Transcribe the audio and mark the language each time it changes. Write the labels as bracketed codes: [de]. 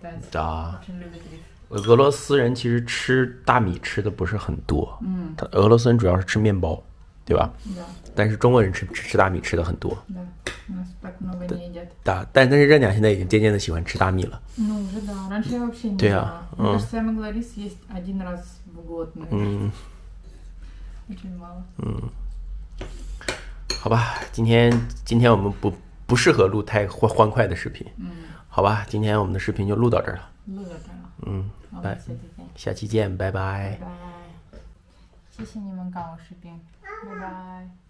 [zh] 对，俄罗斯人其实吃大米吃的不是很多，他俄罗斯人主要是吃面包，对吧？但是中国人吃大米吃的很多。 [ru] много не едят. Да, да, [zh] 但是热鸟现在已经渐渐的喜欢吃大米了。 [ru] Ну уже да, раньше я вообще не ела. Да. Я даже могла рис есть один раз в год, наверное. 嗯。 [zh] 好吧，今天我们不适合录太欢快的视频。嗯。好吧，今天我们的视频就录到这儿了。录到这儿了。嗯，拜。下期见，拜拜。拜拜。谢谢你们搞我视频，拜拜。